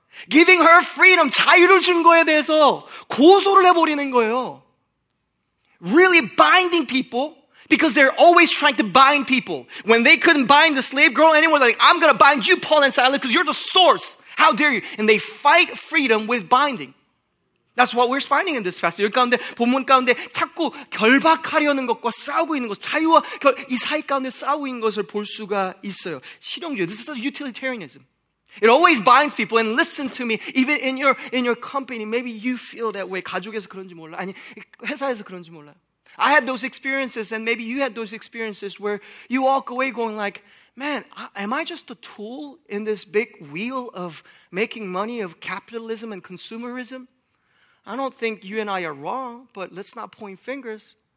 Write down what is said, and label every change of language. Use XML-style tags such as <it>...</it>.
<en>Giving her freedom,</en> <ko>자유를 준 거에 대해서 고소를 해버리는 거예요.</ko> <en>Really binding people because they're always trying to bind people. When they couldn't bind the slave girl anymore, they're like, I'm going to bind you, Paul and Silas, because you're the source. How dare you? And they fight freedom with binding. That's what we're finding in this passage.</en> <ko>여기 가운데, 본문 가운데 자꾸 결박하려는 것과 싸우고 있는 것, 자유와 이 사이 가운데 싸우고 있는 것을 볼 수가 있어요.</ko> <en>실용주의, this is a utilitarianism. It always binds people, and listen to me, even in your company, maybe you feel that way.</en> <ko>가족에서 그런지 몰라, 아니 회사에서 그런지 몰라요.</ko> <en>I had those experiences, and maybe you had those experiences where you walk away going like, man, am I just a tool in this big wheel of making money, of capitalism and consumerism? I don't think you and I are wrong, but let's not point fingers.</en>